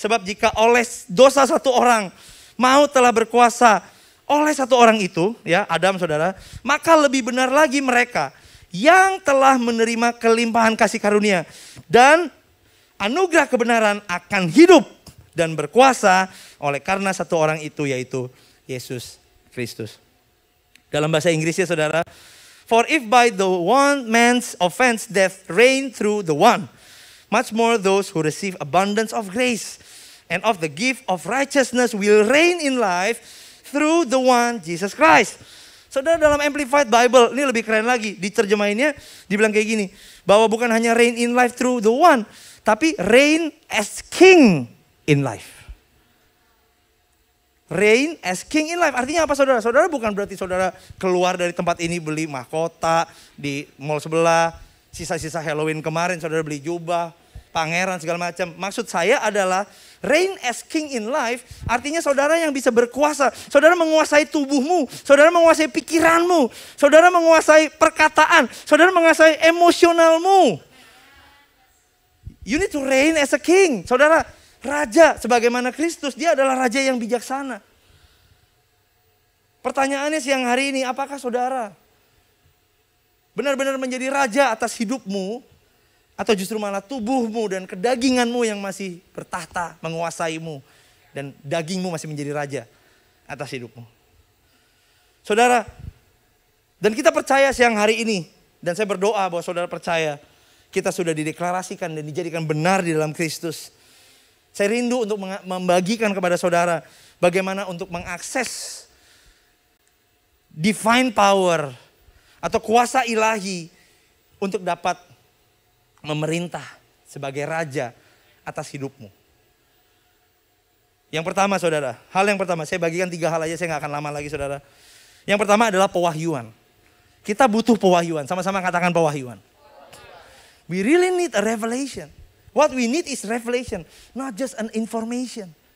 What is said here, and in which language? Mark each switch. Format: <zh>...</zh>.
<id>Sebab jika oleh dosa satu orang maut telah berkuasa oleh satu orang itu, ya Adam saudara, maka lebih benar lagi mereka yang telah menerima kelimpahan kasih karunia dan anugerah kebenaran akan hidup dan berkuasa oleh karena satu orang itu, yaitu Yesus Kristus. Dalam bahasa Inggrisnya saudara,</id> <en>for if by the one man's offense death reigned through the one, much more those who receive abundance of grace and of the gift of righteousness will reign in life through the one, Jesus Christ.</en> <id>Saudara, dalam Amplified Bible, ini lebih keren lagi, diterjemahinnya dibilang kayak gini, bahwa bukan hanya</id> <en>reign in life through the one,</en> <id>tapi</id> <en>reign as king in life. Reign as king in life,</en> <id>artinya apa saudara? Saudara bukan berarti saudara keluar dari tempat ini beli mahkota di mall sebelah, sisa-sisa Halloween kemarin saudara beli jubah, pangeran segala macam. Maksud saya adalah</id> <en>reign as king in life,</en> <id>artinya saudara yang bisa berkuasa, saudara menguasai tubuhmu, saudara menguasai pikiranmu, saudara menguasai perkataan, saudara menguasai emosionalmu.</id> <en>You need to reign as a king,</en> <id>saudara. Raja, sebagaimana Kristus, dia adalah raja yang bijaksana. Pertanyaannya siang hari ini, apakah saudara benar-benar menjadi raja atas hidupmu, atau justru malah tubuhmu dan kedaginganmu yang masih bertahta menguasaimu, dan dagingmu masih menjadi raja atas hidupmu? Saudara, dan kita percaya siang hari ini, dan saya berdoa bahwa saudara percaya, kita sudah dideklarasikan dan dijadikan benar di dalam Kristus. Saya rindu untuk membagikan kepada saudara bagaimana untuk mengakses divine power atau kuasa ilahi untuk dapat memerintah sebagai raja atas hidupmu. Yang pertama saudara, hal yang pertama, saya bagikan tiga hal aja, saya gak akan lama lagi saudara. Yang pertama adalah pewahyuan. Kita butuh pewahyuan, sama-sama katakan pewahyuan.</id> <en>We really need a revelation. What we need is revelation, not just an information.</en>